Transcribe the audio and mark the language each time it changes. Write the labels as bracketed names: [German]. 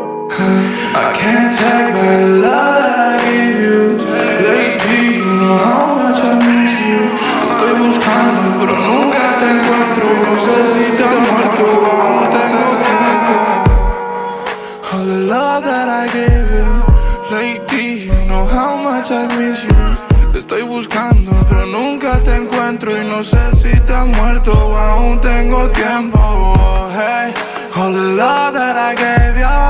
[English] I can't take the love that I gave you. Lately, you know how much I miss you. [Spanish] Estoy buscando, pero nunca te encuentro. No sé si te he muerto, aún tengo tiempo. [English] All the love that I gave you. Lately, you know how much I miss you. [Spanish] Te estoy buscando, pero nunca te encuentro. Y no sé si te he muerto, aún tengo tiempo. [English] Hey, all the love that I gave you.